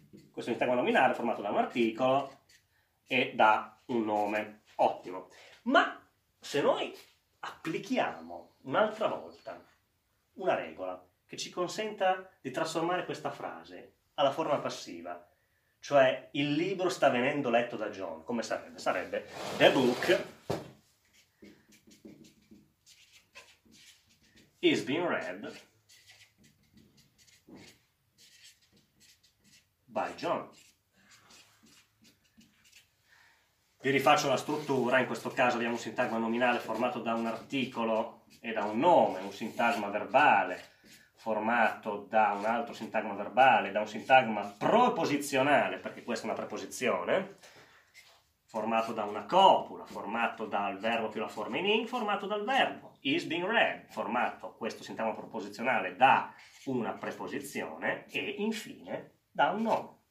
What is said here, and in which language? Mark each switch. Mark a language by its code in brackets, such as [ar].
[it] Questo sintagma nominale è formato da un articolo e da un nome. Ottimo. Ma se noi applichiamo un'altra volta una regola che ci consenta di trasformare questa frase alla forma passiva, cioè il libro sta venendo letto da John, come sarebbe? Sarebbe [en] the book is being read by John. [it] Vi rifaccio la struttura. In questo caso abbiamo un sintagma nominale formato da un articolo e da un nome, un sintagma verbale formato da un altro sintagma verbale, da un sintagma proposizionale, perché questa è una preposizione, formato da una copula, formato dal verbo più la forma in ing, formato dal verbo [en] is being read, [it] formato questo sintagma proposizionale da una preposizione e infine da un nome.